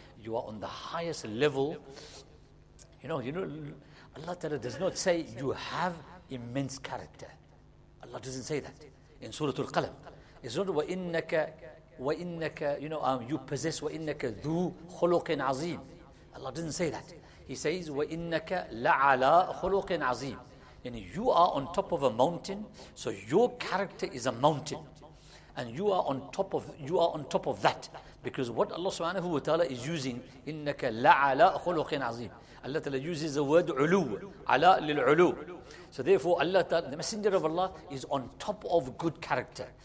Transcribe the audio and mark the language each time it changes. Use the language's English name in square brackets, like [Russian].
[English] You are on the highest level. You know, Allah Ta'ala does not say you have immense character. Allah doesn't say that in Surah Al-Qalam. It's not وَإِنَّكَ, you know, you possess [Arabic] وَإِنَّكَ ذُو خُلُقٍ عَظِيمٍ. [English] Allah doesn't say that. He says [Arabic] وَإِنَّكَ لَعَلَىٰ خُلُقٍ عَظِيمٍ. [English] And you are on top of a mountain, so your character is a mountain. And you are on top of that. Because what Allah subhanahu wa ta'ala is using, [Arabic] إِنَّكَ لَعَلَىٰ خُلُقٍ عَظِيمٍ. [English] Allah Ta'ala uses the word عُلُو, [Arabic] عَلَىٰ لِلْعُلُو. [English] So therefore, Allah Ta'ala, the Messenger of Allah is on top of good character.